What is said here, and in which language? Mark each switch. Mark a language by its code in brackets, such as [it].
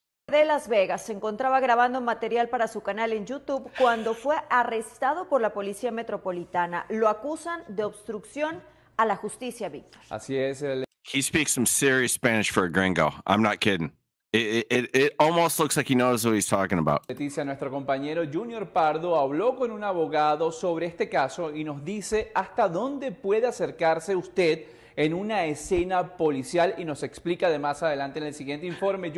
[es] De Las Vegas se encontraba grabando material para su canal en YouTube cuando fue arrestado por la Policía Metropolitana. Lo acusan de obstrucción a la justicia, Víctor. Así es. [en] He speaks some serious Spanish for a gringo. I'm not kidding. It almost looks like he knows what he's talking about. [es] Dice nuestro compañero Junior Pardo habló con un abogado sobre este caso y nos dice hasta dónde puede acercarse usted en una escena policial y nos explica de más adelante en el siguiente informe.